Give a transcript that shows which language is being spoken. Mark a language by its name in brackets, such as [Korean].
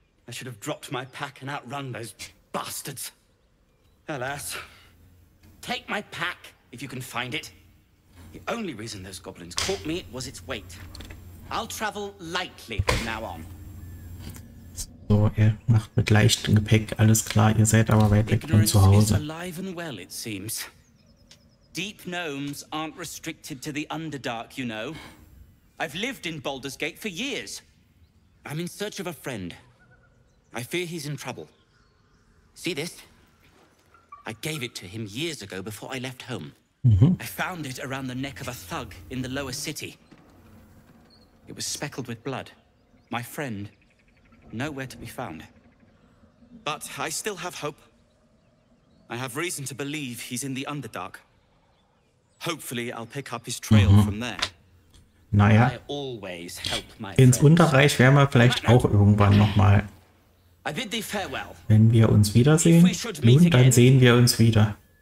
[English] I should have dropped my pack and outrun those bastards. Alas. Take my pack, if you can find it. The only reason those goblins caught me was its weight. I'll travel lightly from now on. [German] So, er macht mit leichtem Gepäck, alles klar. Ihr seid aber weit weg von zu Hause. [English] Is alive and well, it seems. Deep gnomes aren't restricted to the Underdark, you know. I've lived in Baldur's Gate for years. I'm in search of a friend. I fear he's in trouble. See this? I gave it to him years ago before I left home. Mm-hmm. I found it around the neck of a thug in the lower city. It was speckled with blood. My friend, nowhere to be found. But I still have hope. I have reason to believe he's in the Underdark. Hopefully I'll pick up his trail from there. [German] Naja, ins Unterreich werden wir vielleicht auch irgendwann nochmal. Wenn wir uns wiedersehen, nun, dann sehen wir uns wieder.